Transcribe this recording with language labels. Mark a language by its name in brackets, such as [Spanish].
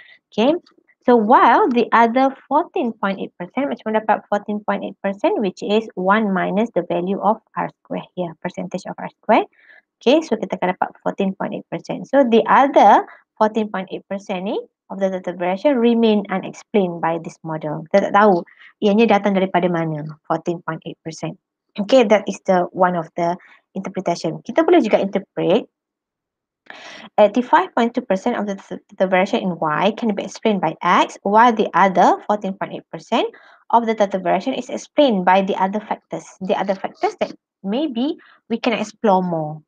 [English] Okay, so while the other 14.8%, [Malay] macam mana dapat 14.8%, [English] which is 1 minus the value of R square here, percentage of R square. Okay, so [Malay] kita akan dapat 14.8%. [English] So the other 14.8% ni of the total variation remain unexplained by this model. [Malay] Kita tak tahu ianya datang daripada mana 14.8%. [English] Okay, that is the one of the interpretation. [Malay] Kita boleh juga [English] interpret 85.2% of the total variation in Y can be explained by X, while the other 14.8% of the total variation is explained by the other factors. The other factors that maybe we can explore more.